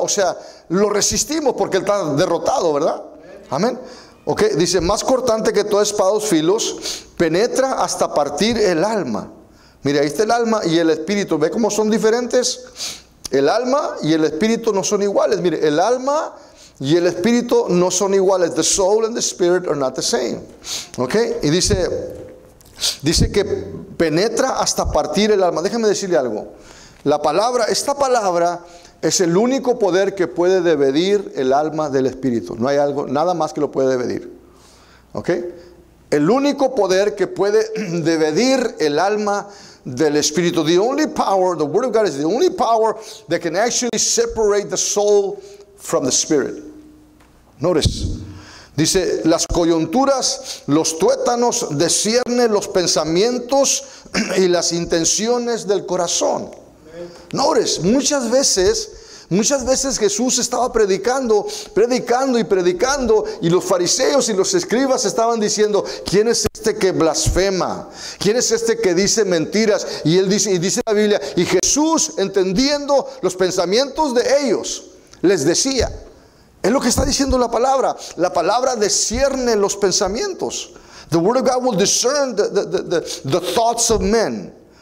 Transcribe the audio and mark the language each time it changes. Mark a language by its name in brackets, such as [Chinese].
[Spanish] O sea, lo resistimos porque él está derrotado, ¿verdad? Amén. Ok, dice: más cortante que toda espada de dos filos, penetra hasta partir el alma. Mire, ahí está el alma y el espíritu. ¿Ve cómo son diferentes? El alma y el espíritu no son iguales. Mire, el alma y el espíritu no son iguales. [English] The soul and the spirit are not the same. Ok. [Spanish] Y dice que penetra hasta partir el alma. Déjeme decirle algo. La palabra, esta palabra es el único poder que puede dividir el alma del espíritu. No hay algo, nada más que lo puede dividir. Ok. El único poder que puede dividir el alma del espíritu. [English] The only power, the word of God is the only power that can actually separate the soul from the spirit. Notice. [Spanish] Dice: las coyunturas, los tuétanos, discierne los pensamientos y las intenciones del corazón. Notice. Muchas veces Jesús estaba predicando, y los fariseos y los escribas estaban diciendo: ¿quién es este que blasfema? ¿Quién es este que dice mentiras? Y él dice, y dice la Biblia, y Jesús, entendiendo los pensamientos de ellos, les decía: Es lo que está diciendo la palabra. La palabra discierne los pensamientos. [English] The word of God will discern the thoughts of men.